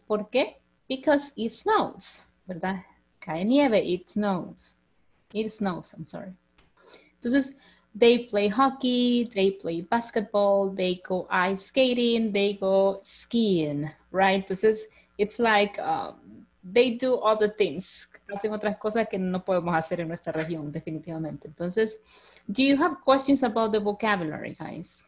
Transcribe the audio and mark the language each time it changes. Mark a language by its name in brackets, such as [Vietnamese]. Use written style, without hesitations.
[English] ¿Por qué? Because it snows, ¿verdad? [Spanish] Cae nieve, [English] it snows. It snows, I'm sorry. Entonces, they play hockey, they play basketball, they go ice skating, they go skiing, right? Entonces, it's like they do other things. [Spanish] Hacen otras cosas que no podemos hacer en nuestra región, definitivamente. [English] Entonces, do you have questions about the vocabulary, guys?